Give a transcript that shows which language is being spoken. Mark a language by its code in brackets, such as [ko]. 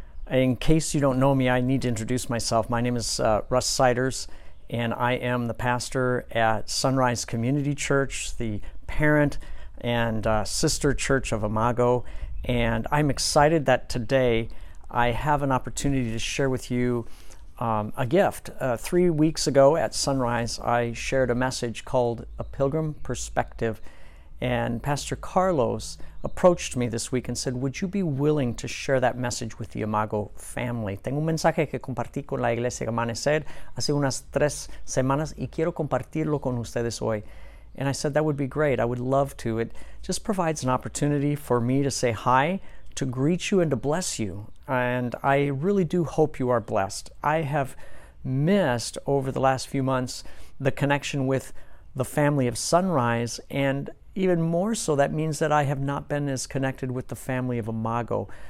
[en] In case you don't know me, I need to introduce myself. My name is Russ Siders, and I am the pastor at Sunrise Community Church, the parent and sister church of Imago, and I'm excited that today I have an opportunity to share with you a gift. 3 weeks ago at Sunrise, I shared a message called A Pilgrim Perspective, and Pastor Carlos approached me this week and said, would you be willing to share that message with the Imago family? [es] Tengo un mensaje que compartí con la Iglesia Amanecer hace unas tres semanas y quiero compartirlo con ustedes hoy. [en] And I said, that would be great. I would love to. It just provides an opportunity for me to say hi, to greet you, and to bless you. And I really do hope you are blessed. I have missed, over the last few months, the connection with the family of Sunrise. And even more so, that means that I have not been as connected with the family of Imago.